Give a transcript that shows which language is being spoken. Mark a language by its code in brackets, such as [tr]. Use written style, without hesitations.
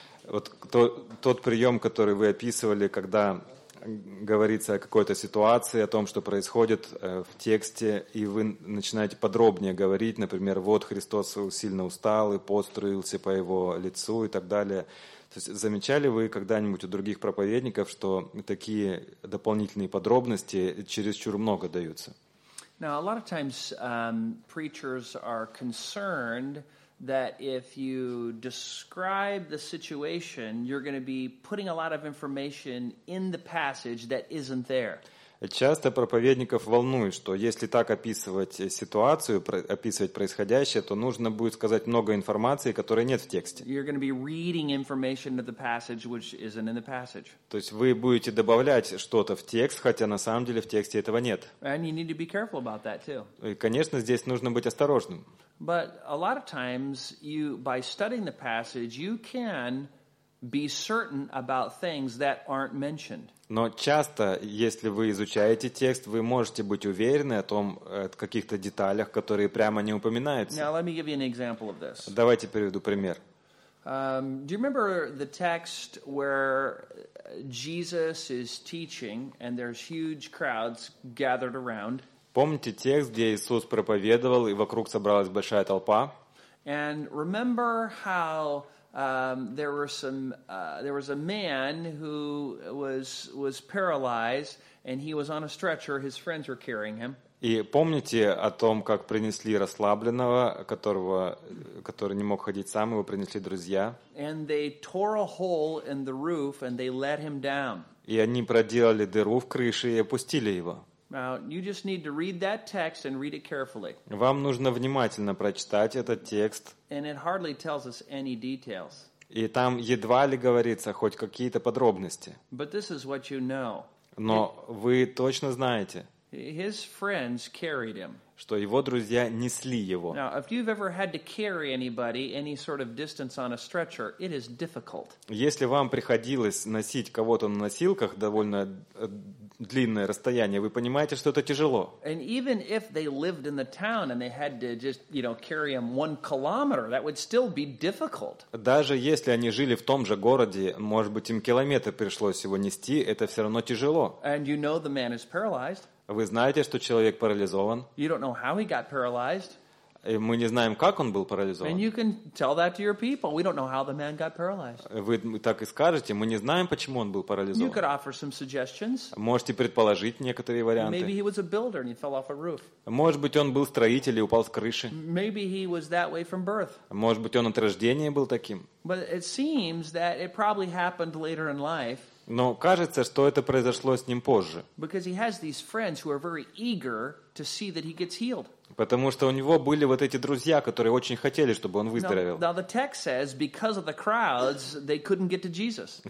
[ru] Вот тот прием, который вы описывали, когда говорится о какой-то ситуации, о том, что происходит в тексте, и вы начинаете подробнее говорить, например, вот Христос сильно устал и построился по его лицу и так далее. То есть замечали вы когда-нибудь у других проповедников, что такие дополнительные подробности чересчур много даются? [en] Now, a lot of times preachers are concerned that if you describe the situation, you're going to be putting a lot of information in the passage that isn't there. [ru] Часто проповедников волнует, что если так описывать ситуацию, описывать происходящее, то нужно будет сказать много информации, которой нет в тексте. [en] You're going to be reading information of the passage which isn't in the passage. [ru] То есть вы будете добавлять что-то в текст, хотя на самом деле в тексте этого нет. [en] And you need to be careful about that too. [ru] И, конечно, здесь нужно быть осторожным. [en] But a lot of times you, by studying the passage, you can be certain about things that aren't mentioned. [ru] Но часто, если вы изучаете текст, вы можете быть уверены о том, о каких-то деталях, которые прямо не упоминаются. [en] Now, let me give you an example of this. [ru] Давайте приведу пример. [en] Do you remember the text where Jesus is teaching and there's huge crowds gathered around? [ru] Помните текст, где Иисус проповедовал, и вокруг собралась большая толпа? [en] And remember how there was a man who was paralyzed, and he was on a stretcher. His friends were carrying him. [ru] И помните о том, как принесли расслабленного, который не мог ходить сам, его принесли друзья. [en] And they tore a hole in the roof, and they let him down. [ru] И они проделали дыру в крыше и опустили его. [en] Now you just need to read that text and read it carefully. [ru] Вам нужно внимательно прочитать этот текст. [en] And it hardly tells us any details. [ru] И там едва ли говорится хоть какие-то подробности. [en] But this is what you know. [ru] Но вы точно знаете. [en] His friends carried him. [ru] Что его друзья несли его. [en] Now, if you've ever had to carry anybody any sort of distance on a stretcher, it is difficult. [ru] Если вам приходилось носить кого-то на носилках довольно длинное расстояние, вы понимаете, что это тяжело. [en] And even if they lived in the town and they had to just, you know, carry him 1 kilometer, that would still be difficult. [ru] Даже если они жили в том же городе, может быть, им километр пришлось его нести, это все равно тяжело. [en] And you know the man is paralyzed. [ru] Вы знаете, что человек парализован? [en] You don't know how he got paralyzed. [ru] И мы не знаем, как он был парализован. [en] And you can tell that to your people. We don't know how the man got paralyzed. [ru] Вы так и скажете, мы не знаем, почему он был парализован. [en] You could offer some suggestions. [ru] Можете предположить некоторые варианты. [en] Maybe he was a builder and he fell off a roof. [ru] Может быть, он был строитель и упал с крыши. [en] Maybe he was that way from birth. [ru] Может быть, он от рождения был таким. [en] But it seems that it probably happened later in life. [ru] Но кажется, что это произошло с ним позже. [en] Because he has these friends who are very eager to see that he gets healed. [ru] Потому что у него были вот эти друзья, которые очень хотели, чтобы он выздоровел. [en] Now, the text says, because of the crowds, they couldn't get to Jesus.